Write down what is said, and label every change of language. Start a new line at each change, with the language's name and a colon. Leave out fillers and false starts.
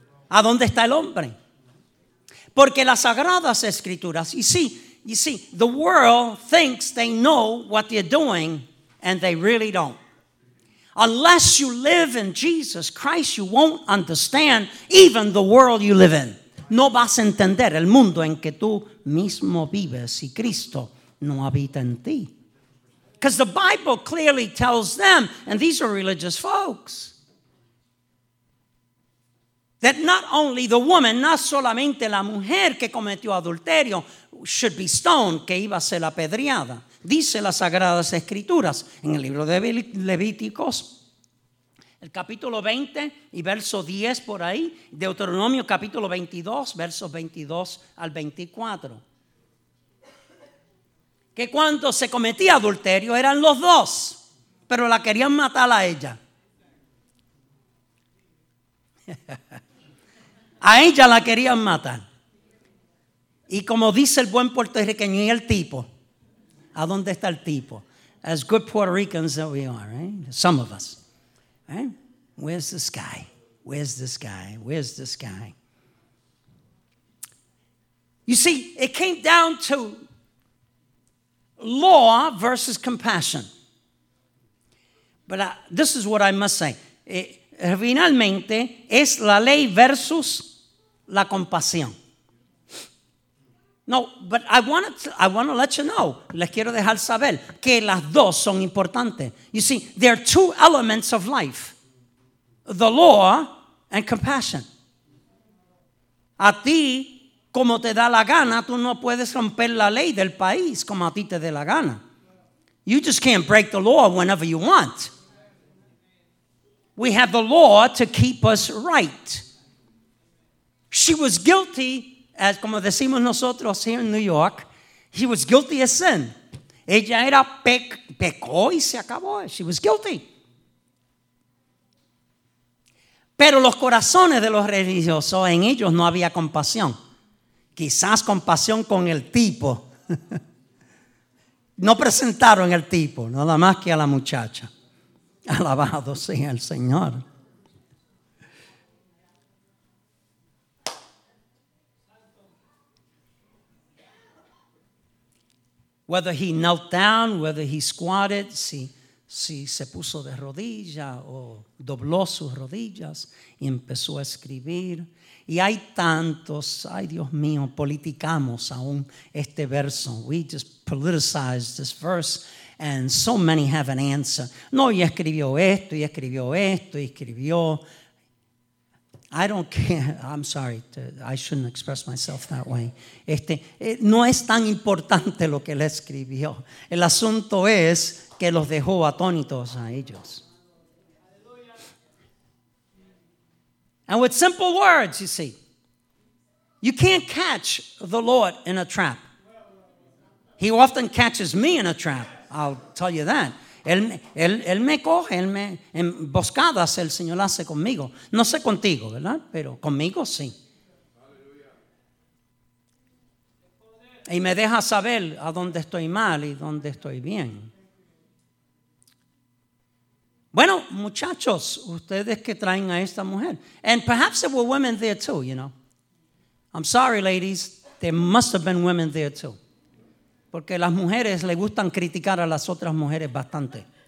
Spanish: ¿A dónde está el hombre? Porque las sagradas escrituras,
English: you see, the world thinks they know what they're doing, and they really don't. Unless you live in Jesus Christ, you won't understand even the world you live in.
Spanish: No vas a entender el mundo en que tú mismo vives y Cristo no habita en ti.
English: Because the Bible clearly tells them, and these are religious folks, that not only the woman, not
Spanish: solamente la mujer que cometió adulterio,
English: should be stoned,
Spanish: que iba a ser apedreada. Dice las Sagradas Escrituras en el libro de Levíticos, el capítulo 20 y verso 10 por ahí, Deuteronomio capítulo 22, versos 22 al 24. Que cuando se cometía adulterio eran los dos, pero la querían matar a ella. A ella la querían matar. Y como dice el buen puertorriqueño, y el tipo, ¿a dónde está el tipo?
English: As good Puerto Ricans that we are, right? Some of us. Right? Where's this guy? Where's this guy? Where's this guy? You see, it came down to law versus compassion. But this is what I must say.
Spanish: Finalmente, es la ley versus la compasión.
English: No, but I want to let you know,
Spanish: les quiero dejar saber que las dos son importantes.
English: You see, there are two elements of life: the law and compassion.
Spanish: A ti, como te da la gana, tú no puedes romper la ley del país como a ti te dé la gana.
English: You just can't break the law whenever you want. We have the law to keep us right. She was guilty, as
Spanish: como decimos nosotros
English: here in New York, she was guilty of sin.
Spanish: Ella era pecó y se acabó.
English: She was guilty.
Spanish: Pero los corazones de los religiosos, en ellos no había compasión. Quizás compasión con el tipo. No presentaron el tipo, nada más que a la muchacha. Alabado sea el Señor.
English: Whether he knelt down, whether he squatted,
Spanish: si se puso de rodillas o dobló sus rodillas y empezó a escribir. Y hay tantos, ay Dios mío, politicamos aún este verso.
English: We just politicized this verse and so many have an answer.
Spanish: No, y escribió esto, y escribió esto, y escribió.
English: I don't care. I'm sorry. I shouldn't express myself that way.
Spanish: No es tan importante lo que él escribió. El asunto es que los dejó atónitos a ellos.
English: And with simple words, you see, you can't catch the Lord in a trap. He often catches me in a trap. I'll tell you that.
Spanish: Él me coge, él me emboscadas el Señor hace conmigo. No sé contigo, ¿verdad? Pero conmigo sí. Y me deja saber a dónde estoy mal y dónde estoy bien. Bueno, muchachos, ustedes que traen a esta mujer.
English: And perhaps there were women there too, you know. I'm sorry, ladies, there must have been women there too.
Spanish: Porque las mujeres le gustan criticar a las otras mujeres bastante.